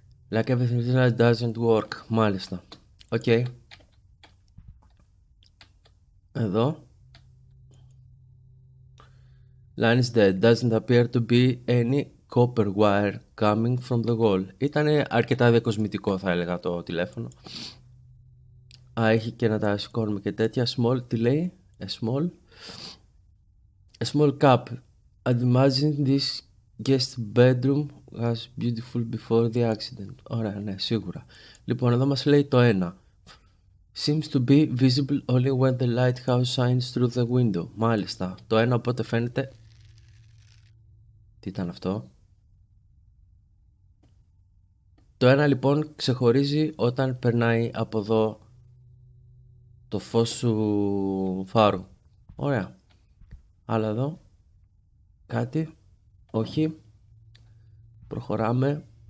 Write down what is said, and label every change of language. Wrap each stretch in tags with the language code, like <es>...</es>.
<en>Like everything that doesn't work.</en> <el>Μάλιστα. Οκ. Okay. Εδώ.</el> <en>Line is dead. Doesn't appear to be any copper wire coming from the wall.</en> <el>Ήταν αρκετά διακοσμητικό, θα έλεγα, το τηλέφωνο. Α, έχει και να τα σηκώνουμε και τέτοια. Small, τι λέει?</el> <en>A small. A small cup. I'd imagine this guest bedroom was beautiful before the accident.</en> <el>Ωραία, ναι, σίγουρα. Λοιπόν, εδώ μας λέει το ένα.</el> <en>Seems to be visible only when the lighthouse shines through the window.</en> <el>Μάλιστα, το ένα οπότε φαίνεται. Τι ήταν αυτό? Το ένα λοιπόν ξεχωρίζει όταν περνάει από εδώ το φως σου φάρου. Ωραία. Άλλα εδώ. Κάτι. Όχι. Προχωράμε.</el>